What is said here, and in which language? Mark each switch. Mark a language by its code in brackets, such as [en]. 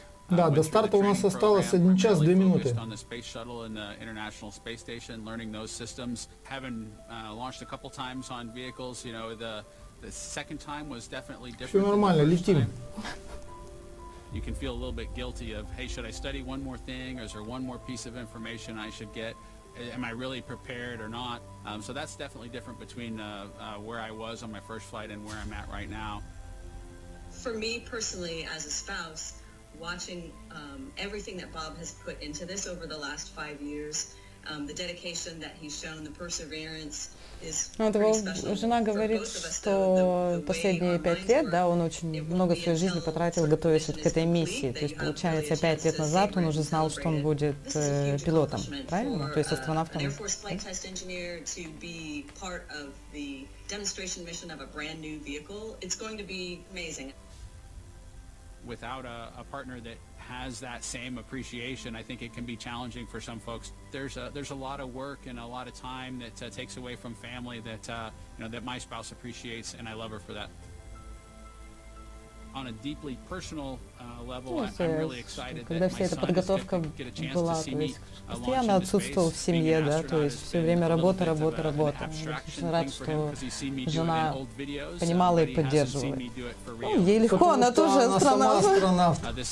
[ru] Да, до старта у нас осталось 1 час 2 минуты. [en] On the space shuttle and the International Space Station, learning those systems, having launched a couple times on vehicles, you know, the second time was definitely different. [ru] Все нормально, летим. [en] You can feel a little bit guilty of, hey, should I study one more thing? Or is there one more piece of information I should get? Am I really prepared or not? So that's definitely different between where I was on my first flight and where I'm at right now. For me personally, as a spouse, watching everything that Bob has put into this over the last 5 years The dedication that he's shown, the perseverance. [ru] Вот его жена говорит, что последние 5 лет, да, он очень много своей жизни потратил, готовясь вот к этой миссии. То есть, получается, 5 лет назад он уже знал, что он будет пилотом, правильно? То есть астронавтом. [en] Without a partner that has that same appreciation, I think it can be challenging for some folks. There's a lot of work and a lot of time that takes away from family that you know, that my spouse appreciates, and I love her for that. On a deeply personal level, I'm really excited that my son is going to get a chance to see me launching space. [ru] Постоянно отсутствовал в семье, да, то есть все время работа, работа, работа. Очень рад, что жена понимала и поддерживала. Ей легко, она тоже астронавт.